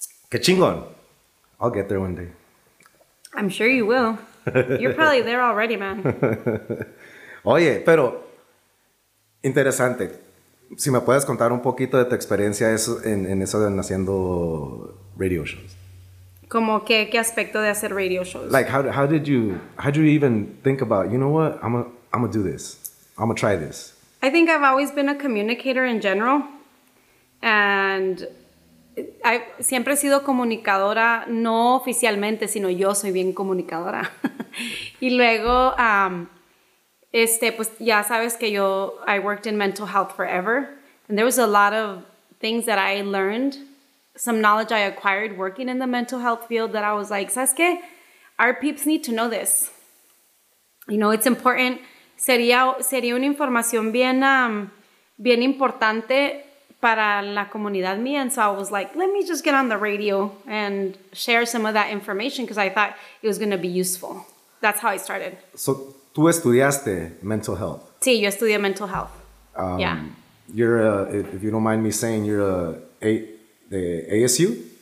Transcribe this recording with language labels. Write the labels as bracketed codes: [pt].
[es] Que chingón. [en] I'll get there one day. I'm sure you will. You're probably there already, man. [es] Oye, pero interesante. Si me puedes contar un poquito de tu experiencia en eso de haciendo radio shows. ¿Cómo qué aspecto de hacer radio shows? [en] Like how did you even think about, you know what? I'm gonna do this. I'm gonna try this. I think I've always been a communicator in general, and I [es] siempre he sido comunicadora, no oficialmente, sino yo soy bien comunicadora. Y luego pues ya sabes que [en] I worked in mental health forever, and there was a lot of things that I learned, some knowledge I acquired working in the mental health field that I was like, [es] ¿sabes qué? [en] Our peeps need to know this. You know, it's important. Sería una información bien, bien importante para la comunidad mía. And so I was like, let me just get on the radio and share some of that information because I thought it was going to be useful. That's how I started. [es] So, ¿tú estudiaste mental health? Sí, yo estudié mental health. Yeah. [en] If you don't mind me saying, you're the ASU?